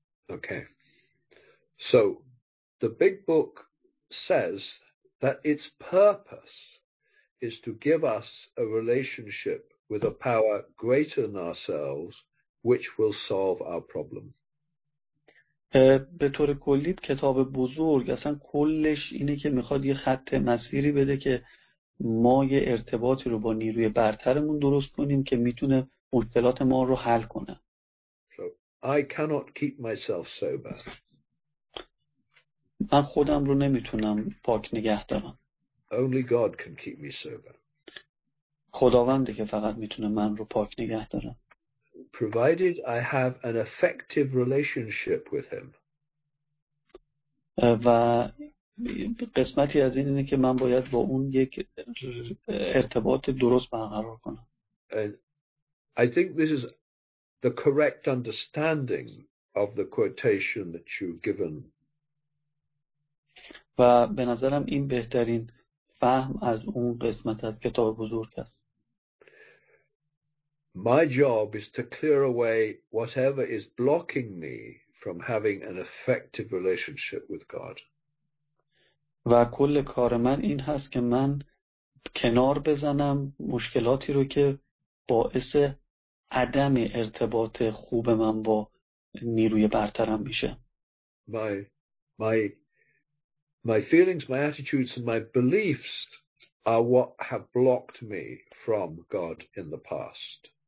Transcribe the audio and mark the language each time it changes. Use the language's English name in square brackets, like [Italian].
[English] Okay. So, the big book says that its purpose is to give us a relationship with a power greater than ourselves, which will solve our problem. [Persian] به طور کلی کتاب بزرگ اصلا کلش اینه که میخواد یه خط مسیری بده که ما یه ارتباطی رو با نیروی برترمون درست کنیم که میتونه مشکلات ما رو حل کنه. [English] So, I cannot keep myself sober. [Persian] من خودم رو نمیتونم پاک نگه دارم. [English] Only God can keep me sober. [Persian] خداوندی که فقط میتونه من رو پاک نگه داره. [English] Provided I have an effective relationship with him. [Persian] و قسمتی از این اینه که من باید با اون یک ارتباط درست برقرار کنم. [English] And I think this is the correct understanding of the quotation that you've given. [Persian] و به نظرم این بهترین فهم از اون قسمت از کتاب بزرگ است. [English] My job is to clear away whatever is blocking me from having an effective relationship with God. [Persian] و کل کار من این هست که من کنار بزنم مشکلاتی رو که باعث عدم ارتباط خوب من با نیروی برترم میشه. [English] My feelings, my attitudes and my beliefs are what have blocked me from God in the past.